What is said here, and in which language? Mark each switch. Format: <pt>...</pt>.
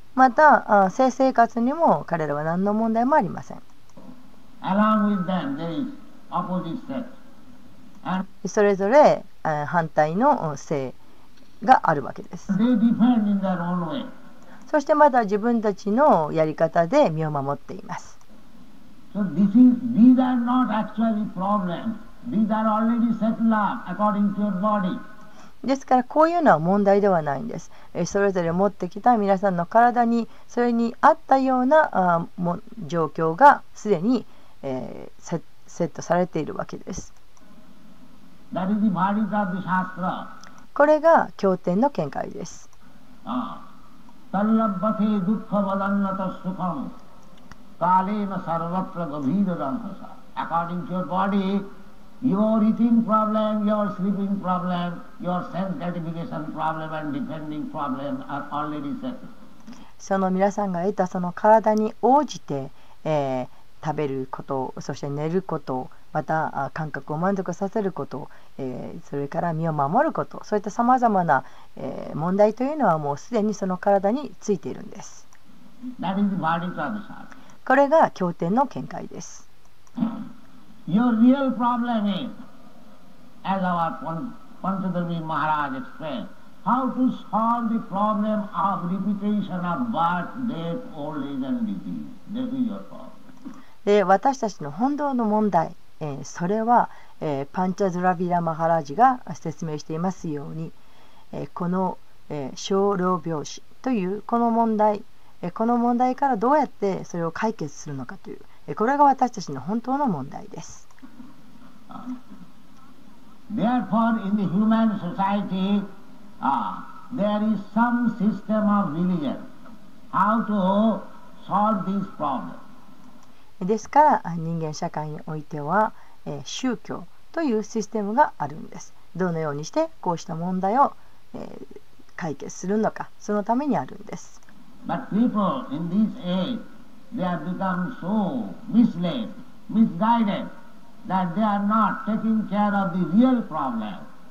<ja>また性生活にも彼らは何の問題もありません。</ja> <en>Along with them, there is opposite sex.</en> <ja>And それぞれ反対の性があるわけです。</ja> <en>They defend in their own way.</en> <ja>そしてまた自分たちのやり方で身を守っています。</ja> <en>So this is, these are not actually problems. These are already settled up according to your body.</en> <ja>ですからこういうのは問題ではないんです。それぞれ持ってきた皆さんの体にそれに合ったような状況がすでに、セットされているわけです。</ja> <en>That is the verdict of the Shastra.</en> <ja>これが経典の見解です。</ja> <sa>タルラッバテドゥッカバダンナタスカムカレーナサラバプラガビーダダンハサ</sa> <en>According to your bodyYour eating problem, your sleeping problem, your sense gratification problem and defending problem are already settled.</en> <ja>その皆さんが得たその体に応じて、食べること、そして寝ること、また感覚を満足させること、それから身を守ること、そういった様々な、問題というのはもうすでにその体についているんです。</ja> <en>That is the verdict of the Shastra.</en> <ja>これが経典の見解です。</ja> <en>Your real problem is, as our Panchadarvi Maharaj explained, how to solve the problem of repetition of birth, death, old age and disease. That is your problem.</en> <ja>私たちの本当の問題、それは、パンチャドラビラ・マハラジが説明していますように、この、小老病死というこの問題、この問題からどうやってそれを解決するのかという、これが私たちの本当の問題です。</ja> <en>Therefore, in the human society, there is some system of religion. How to solve this problem?</en> <ja>ですから人間社会においては、宗教というシステムがあるんです。どのようにしてこうした問題を、解決するのか、そのためにあるんです。</ja> <en>But people in this age, they have become so misled, misguided, that they are not taking care of the real problem.</en>